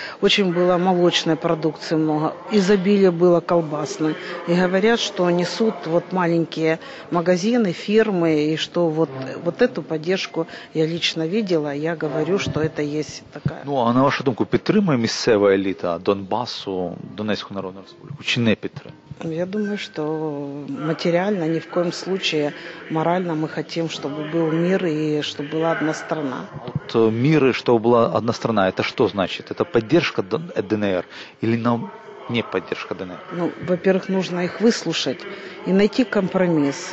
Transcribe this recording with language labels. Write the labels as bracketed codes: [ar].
[ru] Очень было молочной продукции много. Изобилие было колбасной. И говорят, что несут вот маленькие магазины, фирмы, и что вот, вот эту поддержку я лично видела. Я говорю, что это есть такая. [uk] Ну, а на вашу думку, підтримує місцева еліта Донбасу, Донецьку Народну Республіку, чи не підтримує? [ru] Я думаю, что материально ни в коем случае, морально мы хотим, чтобы был мир и чтобы была одна страна. Вот мир и чтобы была одна страна, это что значит? Это поддержка ДНР или нам не поддержка ДНР? Ну, во-первых, нужно их выслушать и найти компромисс.